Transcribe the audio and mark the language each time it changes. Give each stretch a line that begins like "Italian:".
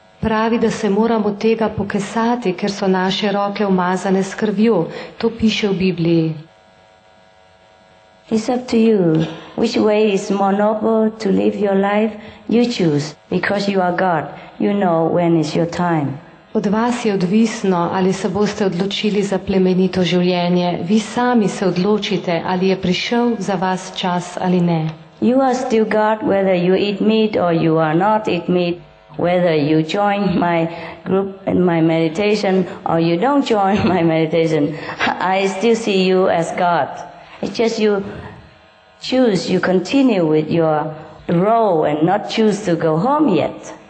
Slovenian: Pravi, da se moramo tega pokesati, ker so naše roke umazane s krvjo. To piše v Bibliji.
English: It's up to you. Which way is more noble to live your life? You choose, because you are God. You know when is your time.
Slovenian: Od vas je odvisno, ali se boste odločili za plemenito življenje. Vi sami se odločite, ali je prišel za vas čas ali ne.
English: You are still God, whether you eat meat or you are not eat meat, whether you join my group and my meditation or you don't join my meditation, I still see you as God. It's just you choose, you continue with your role and not choose to go home yet.